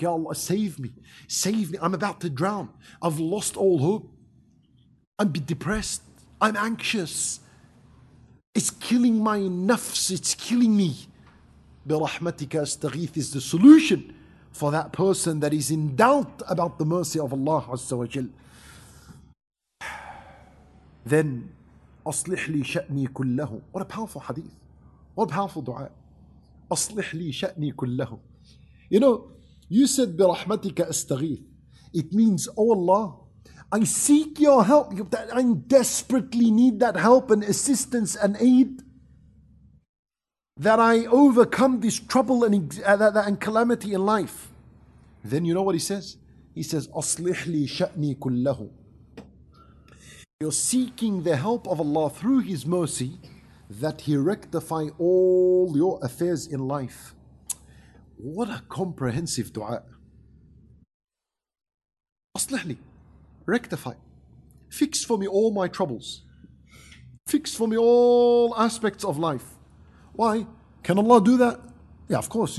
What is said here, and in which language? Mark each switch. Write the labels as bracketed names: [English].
[English] Ya Allah, save me. Save me. I'm about to drown. I've lost all hope. I'm depressed. I'm anxious. It's killing my nafs. It's killing me. [Arabic] بِرَحْمَتِكَ أَسْتَغِيثِ [English] is the solution for that person that is in doubt about the mercy of Allah Azza wa Jal. Then, [Arabic] أَصْلِحْ لِي شَأْنِي كُلَّهُ. [English] What a powerful hadith. What a powerful dua. [Arabic] أَصْلِحْ لِي شَأْنِي كُلَّهُ. [English] You know, you said [Arabic] بِرَحْمَتِكَ أَسْتَغِيثِ. [English] It means, oh Allah, I seek your help. I desperately need that help and assistance and aid. that I overcome this trouble and calamity in life. Then you know what he says? He says, [Arabic] أصلح لي شأني كله. [English] You're seeking the help of Allah through His mercy, that He rectify all your affairs in life. What a comprehensive dua. [Arabic] أصلح لي, [English] rectify, fix for me all my troubles, fix for me all aspects of life. Why? Can Allah do that? Yeah, of course.